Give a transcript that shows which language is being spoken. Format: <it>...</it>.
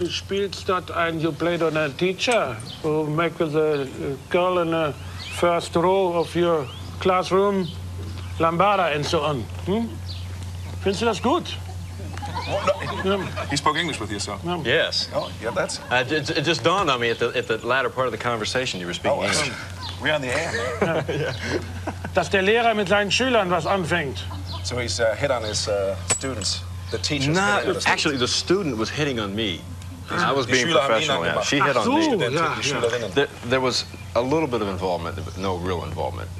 <de>Du spielst dort ein,</de> <en>you played on a teacher, who make the girl in the first row of your classroom, Lambada and so on.</en> <de>Hm? Findest du das gut?</de> <en>He spoke English with you, so. Yes. Oh, yeah, that's... It just dawned on me at the latter part of the conversation you were speaking English. We're on the air.</en> <de>Dass der Lehrer mit seinen Schülern was anfängt.</de> <en>So he's hit on his students, the teachers. No, actually, the student was hitting on me. I was being professional. Yeah. She hit on so, me. There was a little bit of involvement, but no real involvement.</en>